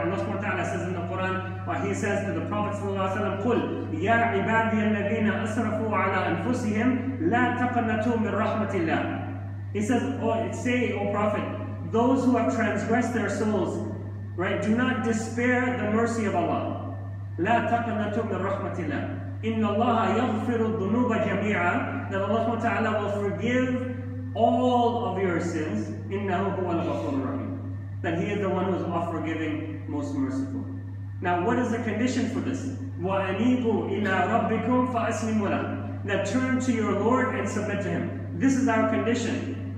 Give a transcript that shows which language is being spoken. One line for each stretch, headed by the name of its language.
English: Allah subhanahu wa ta'ala says in the Quran, what He says to the Prophet
Arabic: قُلْ يَا عِبَادِيَ الَّذِينَ أَسْرَفُوا عَلَىٰ أَنفُسِهِمْ لَا تَقْنَتُوا مِن رَحْمَةِ اللَّهِ.
English: He says, O Prophet, those who have transgressed their souls, right, do not despair the mercy of Allah.
Arabic: لا تقنطوا من رحمة الله. إن الله يغفر الذنوب جميعا.
English: That Allah Ta'ala will forgive all of your sins.
Arabic: إنه هو الغفور الرحيم.
English: That He is the one who is all forgiving, most merciful. Now, what is the condition for this?
Arabic: وَأَنِيبُوا إِلَىٰ رَبِّكُمْ فَأَسْلِمُوا لَهُ.
English: That turn to your Lord and submit to Him. This is our condition.